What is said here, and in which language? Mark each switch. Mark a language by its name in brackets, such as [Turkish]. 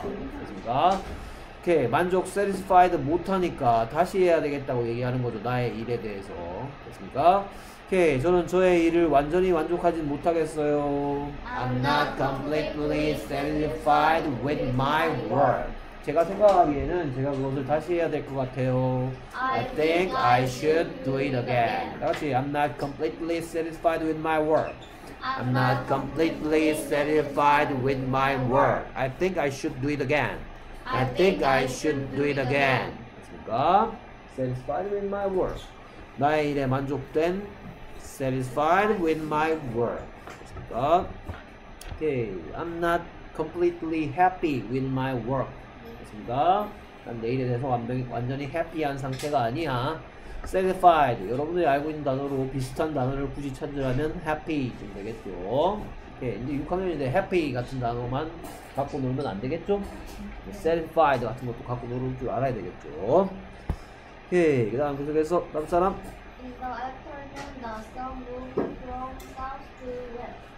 [Korean] 그렇습니까? 오케이. 만족 satisfied 못하니까 다시 해야 되겠다고 얘기하는 거죠. 나의 일에 대해서. 그렇습니까? 오케이. 저는 저의 일을 완전히 만족하진 못하겠어요. [English] I'm not completely satisfied with my work. [Korean] 제가 생각하기에는 제가 그것을 다시 해야 될 것 같아요. [English] I think I should do it again. [Korean] 다시 [English] I'm not completely satisfied with my work. I'm not completely satisfied with my work. I think I should do it again. I think I should do it again. [Korean] 그러니까 [English] satisfied with my work. [Korean] 나의 일에 만족된 [English] satisfied with my work. [Korean] 그러니까 [English] okay. I'm not completely happy with my work. [Korean] 난 내일에 대해서 완전히 해피한 상태가 아니야. [English] satisfied. [Korean] 여러분들이 알고 있는 단어로 비슷한 단어를 굳이 찾으라면 happy 좀 되겠죠. 오케이. 이제 6학년인데 happy 같은 단어만 갖고 놀면 안 되겠죠? satisfied 같은 것도 갖고 놀을 줄 알아야 되겠죠. 오케이. 그 다음 계속해서 다음 사람. [English] In the afternoon, the sun moved from south to west.